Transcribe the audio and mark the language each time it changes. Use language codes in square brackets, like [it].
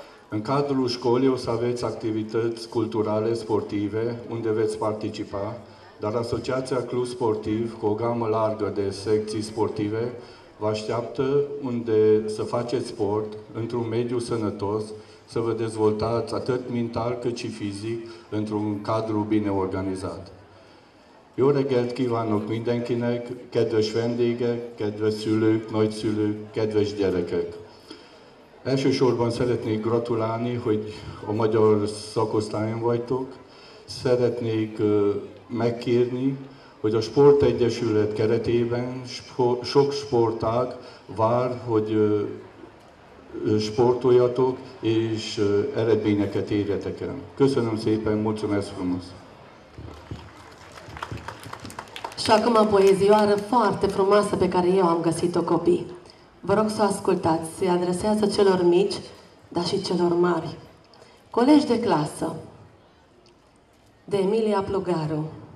[ro] În cadrul școlii o să aveți activități culturale, sportive, unde veți participa, dar Asociația Club Sportiv, cu o gamă largă de secții sportive, vă așteaptă unde să faceți sport, într-un mediu sănătos, să vă dezvoltați atât mental cât și fizic, într-un cadru bine organizat. [hu] Jó reggelt kívánok mindenkinek, kedves vendégek, kedves szülők, nagyszülők, kedves gyerekek! Elsősorban szeretnék gratulálni, hogy a magyar szakosztályon vagytok. Szeretnék megkérni, hogy a sportegyesület keretében sok sportág vár, hogy sportoljatok és eredményeket érjetek el. Köszönöm szépen, [ro] mulțumesc frumos! Și acum poezioară foarte frumoasă pe care eu am găsit-o, copii. Vă rog să o ascultați, se adresează celor mici, dar și celor mari. Colegi de clasă, de Emilia Plugaru.